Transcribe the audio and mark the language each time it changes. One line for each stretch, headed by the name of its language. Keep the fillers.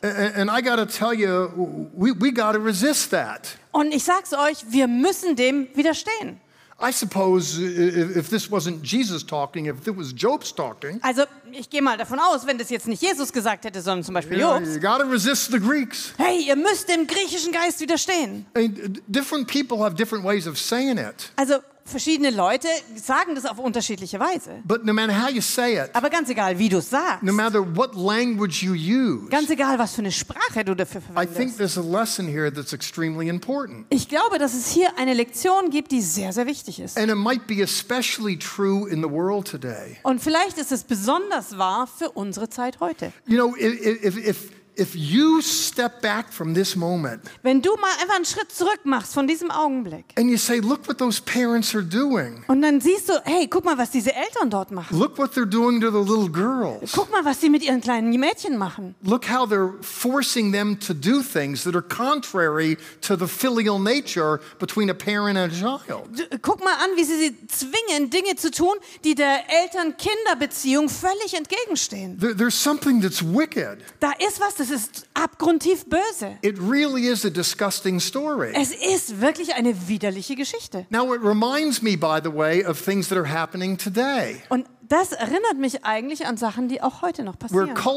German: Und ich sag's euch, wir müssen dem widerstehen.
English: I suppose if this wasn't Jesus talking, if it was Job's talking. Also,
German: ich gehe mal davon aus, wenn das jetzt nicht Jesus gesagt hätte, sondern zum Beispiel Job.
English: You gotta resist the Greeks.
German: Hey, ihr müsst dem griechischen Geist widerstehen.
English: And different people have different ways of saying it.
German: Also, verschiedene Leute sagen das auf unterschiedliche Weise. No it, Aber ganz egal, wie du es sagst, no use, ganz egal, was für eine Sprache du dafür verwendest, ich glaube, dass es hier eine Lektion gibt, die sehr, sehr wichtig ist. Und vielleicht ist es besonders wahr für unsere Zeit heute.
English: You know, if, if, if, if you step back from this moment,
German: wenn du mal einfach einen Schritt zurück machst von diesem Augenblick,
English: and you say, look what those parents are doing,
German: und dann siehst du, hey, guck mal, was diese Eltern dort machen.
English: Look what they're doing to the little girls.
German: Guck mal, was sie mit ihren kleinen Mädchen machen.
English: Look how they're forcing them to do things that are contrary to the filial nature between a parent and a child.
German: Guck mal an, wie sie sie zwingen, Dinge zu tun, die der Eltern-Kinder-Beziehung völlig entgegenstehen.
English: there's something that's wicked.
German: Da ist was, das es ist abgrundtief böse.
English: It really is a disgusting story.
German: Es ist wirklich eine widerliche Geschichte.
English: Now it reminds me by the way of things that are happening today.
German: Und das erinnert mich eigentlich an Sachen, die auch heute noch passieren.